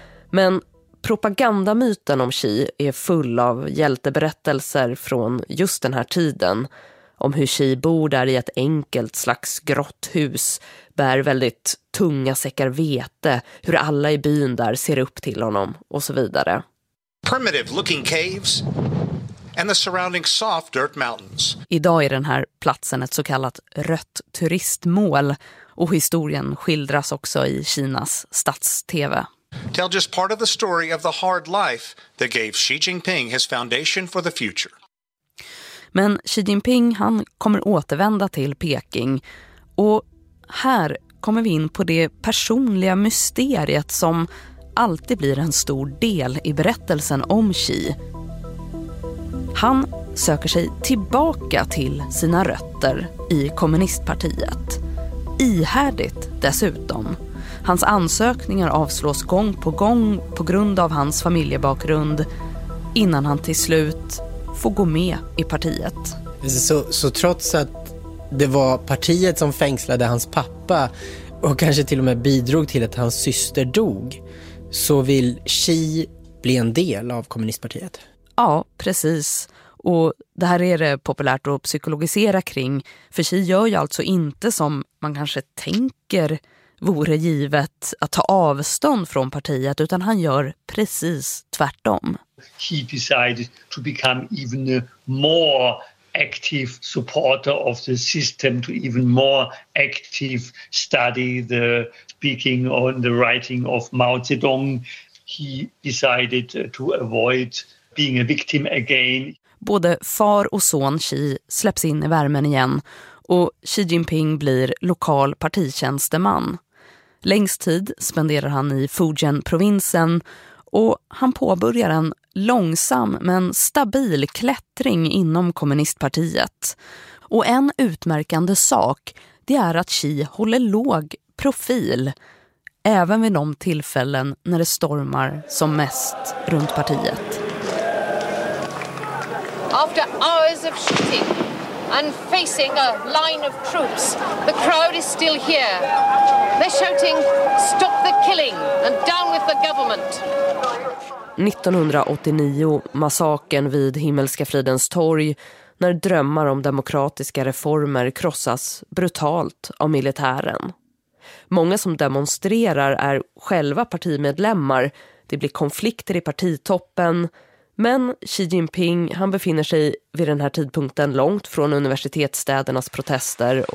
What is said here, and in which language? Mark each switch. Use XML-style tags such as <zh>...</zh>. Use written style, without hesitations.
<sv>Men propagandamyten om Xi är full av hjälteberättelser från just den här tiden. Om hur Xi bor där i ett enkelt slags grotthus, bär väldigt tunga säckar vete, hur alla i byn där ser upp till honom och så vidare.</sv> <en>Primitive looking caves and the surrounding soft dirt mountains.</en> <sv>Idag är den här platsen ett så kallat rött turistmål och historien skildras också i Kinas stats-TV.</sv> <en>Tell just part of the story of the hard life that gave Xi Jinping his foundation for the future.</en> <sv>Men Xi Jinping, han kommer återvända till Peking och här kommer vi in på det personliga mysteriet som alltid blir en stor del i berättelsen om Xi. Han söker sig tillbaka till sina rötter i kommunistpartiet. Ihärdigt dessutom. Hans ansökningar avslås gång på gång på grund av hans familjebakgrund innan han till slut får gå med i partiet. Så trots att det var partiet som fängslade hans pappa och kanske till och med bidrog till att hans syster dog, så vill Xi bli en del av kommunistpartiet? Ja, precis. Och det här är det populärt att psykologisera kring. För Xi gör ju alltså inte som man kanske tänker vore givet att ta avstånd från partiet, utan han gör precis tvärtom.</sv> <en>He decided to become even more active supporter of the system, to even more active study the speaking on the writing of Mao Zedong. He decided to avoid being a victim again.</en> <sv>Både far och son Xi släpps in i värmen igen och Xi Jinping blir lokal partitjänsteman. Längst tid spenderar han i Fujian-provinsen och han påbörjar en långsam men stabil klättring inom kommunistpartiet. Och en utmärkande sak, det är att Xi håller låg profil. även vid de tillfällen när det stormar som mest runt partiet.</sv> <en>After hours of shooting and facing a line of troops, the crowd is still here. They're shouting, stop the killing and down with the government.</en> <sv>1989, massaken vid Himmelska fridens torg, när drömmar om demokratiska reformer krossas brutalt av militären. Många som demonstrerar är själva partimedlemmar. Det blir konflikter i partitoppen. Men Xi Jinping, han befinner sig vid den här tidpunkten långt från universitetsstädernas protester.</sv>